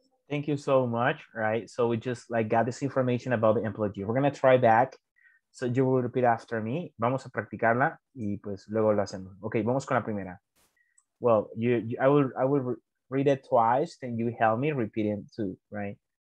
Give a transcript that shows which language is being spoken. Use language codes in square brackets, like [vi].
[en] Thank you so much. Right. So we just got this information about the employee. We're going to try back So you will repeat after me. [es] Vamos a practicarla y pues luego lo hacemos. Okay, vamos con la primera. [en] Well, I will read it twice, then you help me repeat it too, right?